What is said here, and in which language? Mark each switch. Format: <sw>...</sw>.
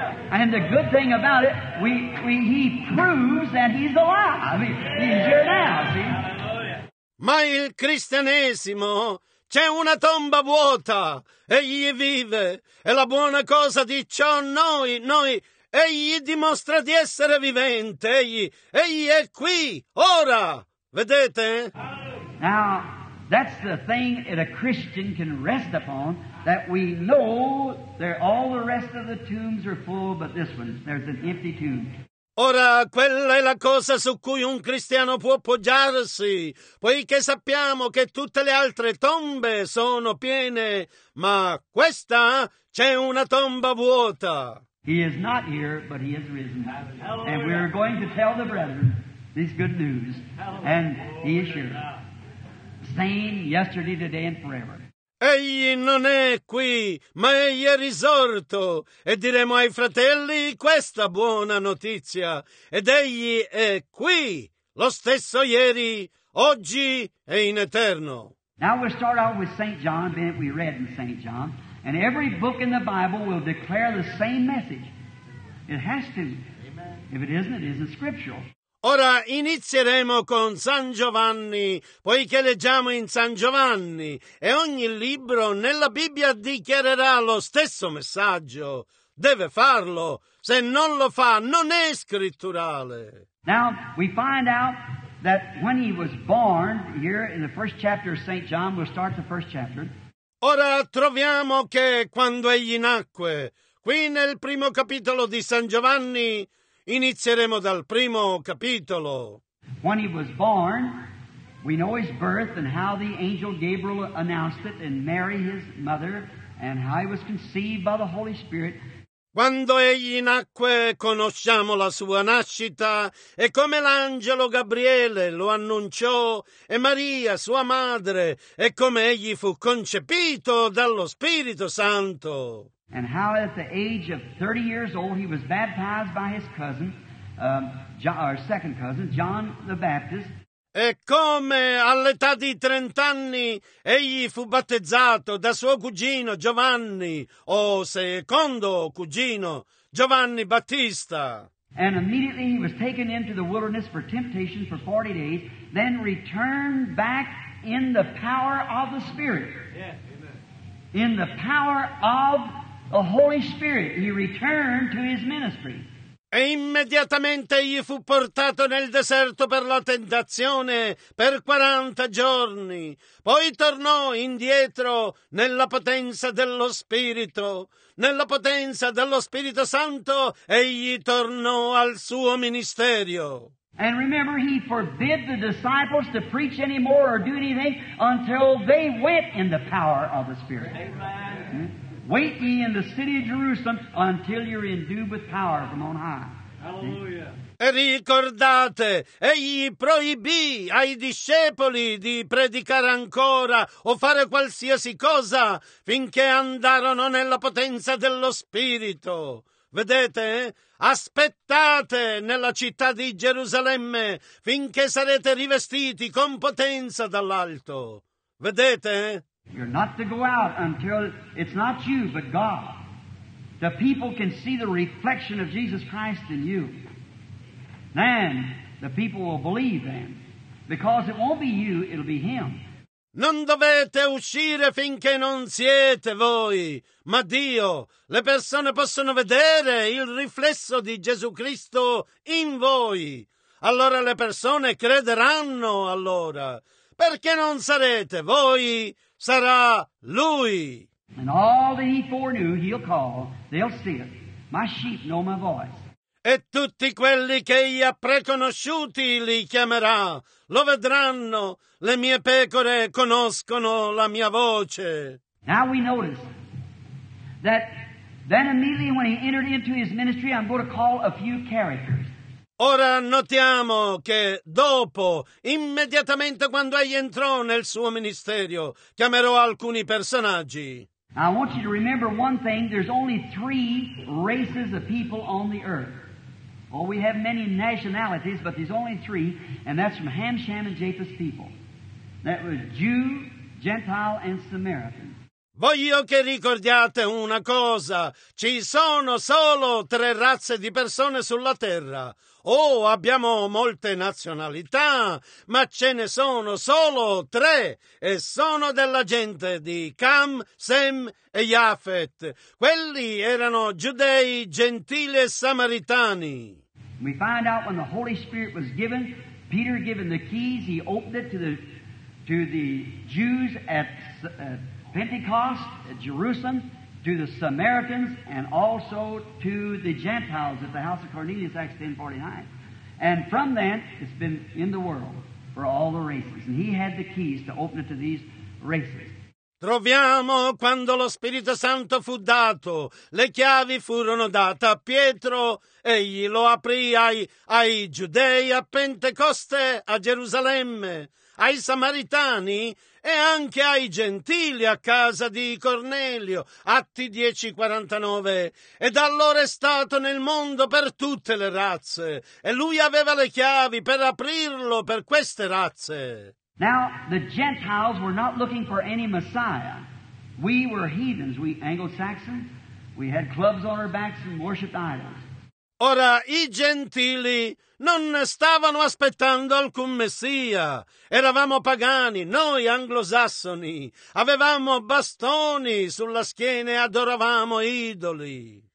<en>And the good thing about it, he proves that he's alive. He's here now, see?</en> <it>Ma il cristianesimo, c'è una tomba vuota, egli vive, e la buona cosa di ciò noi, egli dimostra di essere vivente, egli è qui, ora, vedete?</it> <en>Now, that's the thing that a Christian can rest upon, that we know that all the rest of the tombs are full, but this one, there's an empty tomb.</en> <it>Ora, quella è la cosa su cui un cristiano può appoggiarsi, poiché sappiamo che tutte le altre tombe sono piene, ma questa c'è una tomba vuota.</it> <en>He is not here, but he is risen. Hallelujah. And we are going to tell the brethren this good news. Hallelujah. And he is here. Same yesterday, today, and forever.</en> <it>Egli non è qui, ma egli è risorto, e diremo ai fratelli questa buona notizia, ed egli è qui, lo stesso ieri, oggi e in eterno.</it> <en>Now we'll start out with St. John, then we read in St. John, and every book in the Bible will declare the same message. It has to. If it isn't scriptural.</en> <it>Ora inizieremo con San Giovanni, poiché leggiamo in San Giovanni, e ogni libro nella Bibbia dichiarerà lo stesso messaggio. Deve farlo. Se non lo fa, non è scritturale.</it> <en>Now, we find out that when he was born, here in the first chapter of St. John, we'll start the first chapter.</en> <it>Ora troviamo che quando egli nacque, qui nel primo capitolo di San Giovanni, inizieremo dal primo capitolo.</it> <en>When he was born, we know his birth and how the angel Gabriel announced it and Mary his mother and how he was conceived by the Holy Spirit.</en> <it>Quando egli nacque, conosciamo la sua nascita e come l'angelo Gabriele lo annunciò e Maria sua madre e come egli fu concepito dallo Spirito Santo.</it> <en>And how at the age of 30 years old he was baptized by his cousin, our second cousin, John the Baptist.</en> <it>E come all'età di 30 anni egli fu battezzato da suo cugino Giovanni, o secondo cugino, Giovanni Battista.</it> <en>And immediately he was taken into the wilderness for temptation for 40 days, then returned back in the power of the Spirit. Yeah, in the power of the Holy Spirit, he returned to his ministry.</en> <it>E immediatamente egli fu portato nel deserto per la tentazione per 40 giorni. Poi tornò indietro nella potenza dello Spirito. Nella potenza dello Spirito Santo egli tornò al suo ministerio.</it> <en>And remember, he forbid the disciples to preach anymore or do anything until they went in the power of the Spirit. Amen. Wait ye in the city of Jerusalem until you're endued with power from on high. Hallelujah.</en> <it>E ricordate, egli proibì ai discepoli di predicare ancora o fare qualsiasi cosa finché andarono nella potenza dello Spirito. Vedete? Aspettate nella città di Gerusalemme finché sarete rivestiti con potenza dall'alto. Vedete?</it> <en>You're not to go out until it's not you, but God. The people can see the reflection of Jesus Christ in you. Then the people will believe then, because it won't be you, it'll be Him.</en> <it>Non dovete uscire finché non siete voi, ma Dio. Le persone possono vedere il riflesso di Gesù Cristo in voi. allora le persone crederanno allora. Perché non sarete voi, sarà Lui.</it> <en>And all that he foreknew, he'll call, they'll see it. My sheep know my voice.</en> <it>E tutti quelli che egli ha preconosciuti li chiamerà, lo vedranno, le mie pecore conoscono la mia voce.</it> <en>Now we notice that then immediately when he entered into his ministry, I'm going to call a few characters.</en> <it>Ora notiamo che dopo, immediatamente quando egli entrò nel suo ministerio, chiamerò alcuni personaggi.</it> <en>I want you to remember one thing, there's only three races of people on the earth. Well, we have many nationalities, but there's only three, and that's from Ham, Shem, and Japheth's people. That was Jew, Gentile, and Samaritan.</en> <it>Voglio che ricordiate una cosa. Ci sono solo tre razze di persone sulla terra. Oh, abbiamo molte nazionalità, ma ce ne sono solo tre, e sono della gente di Cam, Sem e Japhet. Quelli erano giudei, gentili e samaritani.</it> <en>We find out when the Holy Spirit was given, Peter given the keys, he opened it to the Jews at Pentecost, at Jerusalem, to the Samaritans, and also to the Gentiles at the house of Cornelius, Acts 10:49. And from then, it's been in the world for all the races. And he had the keys to open it to these races.</en> <it>Troviamo quando lo Spirito Santo fu dato, le chiavi furono date a Pietro, egli lo aprì ai Giudei a Pentecoste, a Gerusalemme, ai Samaritani e anche ai Gentili a casa di Cornelio, Atti 10:49. E da allora è stato nel mondo per tutte le razze, e lui aveva le chiavi per aprirlo per queste razze.</it> <en>Now, the Gentiles were not looking for any Messiah. We were heathens, we Anglo-Saxons. We had clubs on our backs and worshipped idols.</en> <it>Ora, i Gentili non stavano aspettando alcun Messia. Eravamo pagani, noi Anglosassoni. Avevamo bastoni sulla schiena e adoravamo idoli.</it>